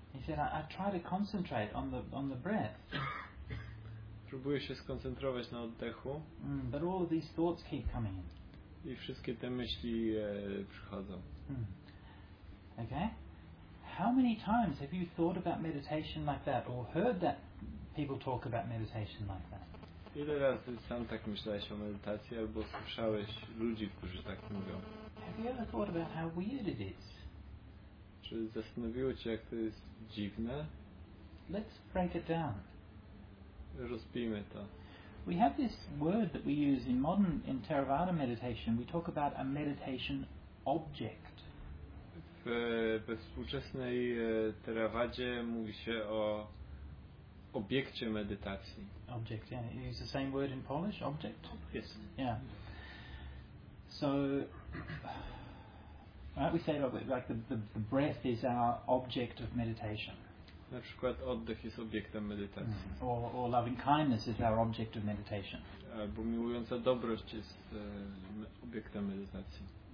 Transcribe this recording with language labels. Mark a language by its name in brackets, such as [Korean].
[English] He said, I try to concentrate on the breath. [Polish] Próbuję się skoncentrować na oddechu. [English] But all of these thoughts keep coming in. [Polish] I wszystkie te myśli przychodzą. [English] Okay. How many times have you thought about meditation like that, or heard that people talk about meditation like that? [Polish] Ile razy sam tak myślałeś o medytacji, albo słyszałeś ludzi, którzy tak mówią? [English] Have you ever thought about how weird it is? [Polish] Czy zastanowiło cię, jak to jest dziwne? [English] Let's break it down. [Polish] Rozbijmy to. [English] We have this word that we use in modern, in Theravada meditation, we talk about a meditation object. [Polish] We współczesnej Theravadzie mówi się o obiekcie medytacji. [English] Object, yeah. You use the same word in Polish, object? Yes. Yeah. So, right, we say like the breath is our object of meditation. [Polish] Na przykład oddech jest obiektem medytacji. [English] Or loving kindness is our object of meditation. [Polish] Albo miłująca dobroć jest obiektem medytacji.